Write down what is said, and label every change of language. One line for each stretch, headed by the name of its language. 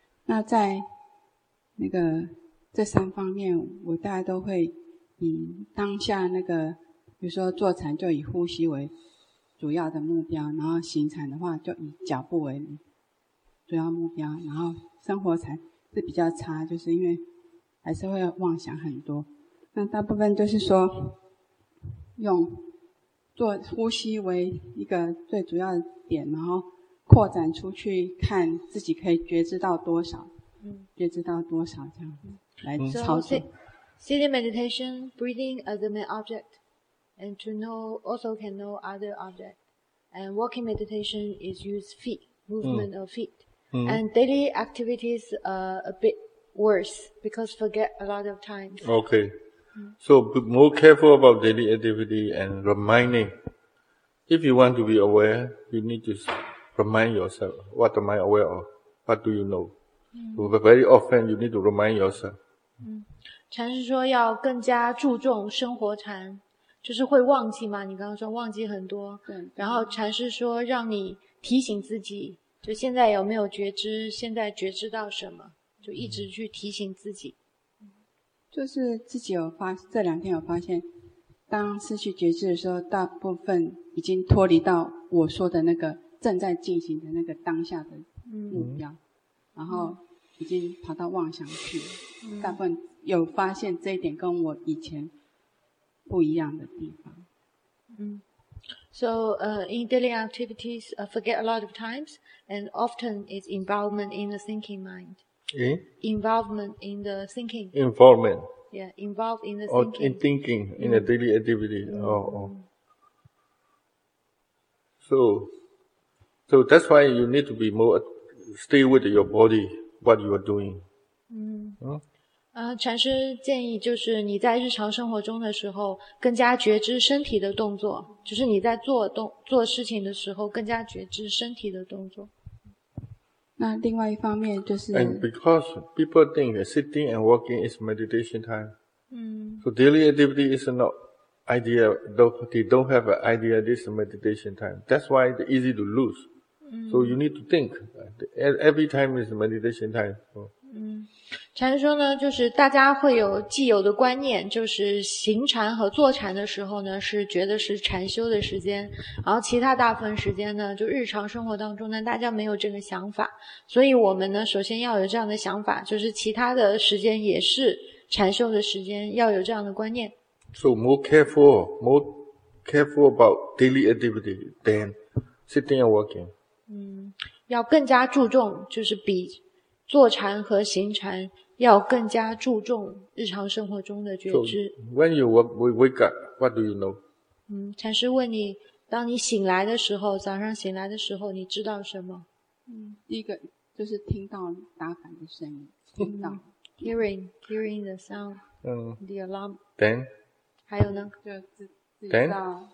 Chinese: 那在那个这三方面，我大概都会以当下那个，比如说坐禅就以呼吸为主要的目标，然后行禅的话就以脚步为主要目标，然后生活禅是比较差，就是因为还是会妄想很多。那大部分就是说用做呼吸为一个最主要的点，然后扩展出去看自己可以觉知到多少，觉知到多少，这样来操作。
English: Sitting meditation, breathing as the main object, and to know, also can know other object. And walking meditation is use feet, movement of feet. And daily activities are a bit worse because forget a lot of times. Okay. So, be more careful about daily activity and reminding. If you want to be aware, you need to remind yourself. What am I aware of? What do you know? So very often, you need to remind yourself.
Chinese: 禅师说要更加注重生活禅，就是会忘记嘛，你刚刚说忘记很多。对。然后禅师说让你提醒自己，就现在有没有觉知，现在觉知到什么，就一直去提醒自己。就是自己有发，这两天有发现，当失去觉知的时候，大部分已经脱离到我说的那个正在进行的那个当下的目标，然后已经跑到妄想去了。大部分有发现这一点跟我以前不一样的地方。
English: So, in daily activities, forget a lot of times, and often it's involvement in the thinking mind. Involvement in the thinking. Involvement. Yeah, involved in the thinking. In thinking, in a daily activity. So that's why you need to be more, stay with your body, what you are doing.
Chinese: 禅师建议就是你在日常生活中的时候更加觉知身体的动作，就是你在做事情的时候更加觉知身体的动作。那另外一方面就是
English: And because people think that sitting and walking is meditation time. So daily activity is not idea, they don't have an idea this is meditation time. That's why it's easy to lose. So you need to think. Every time is meditation time.
Chinese: 禅说呢，就是大家会有既有的观念，就是行禅和坐禅的时候呢，是觉得是禅修的时间，然后其他大部分时间呢，就日常生活当中呢，大家没有这个想法。所以我们呢，首先要有这样的想法，就是其他的时间也是禅修的时间，要有这样的观念。
English: So more careful about daily activity than sitting and walking.
Chinese: 要更加注重，就是比坐禅和行禅要更加注重日常生活中的觉知。
English: So, when you wake up, what do you know?
Chinese: 禅师问你，当你醒来的时候，早上醒来的时候，你知道什么？第一个就是听到打板的声音，
English: hearing the sound, the alarm. Then,
Chinese: 还有呢？就自己知道。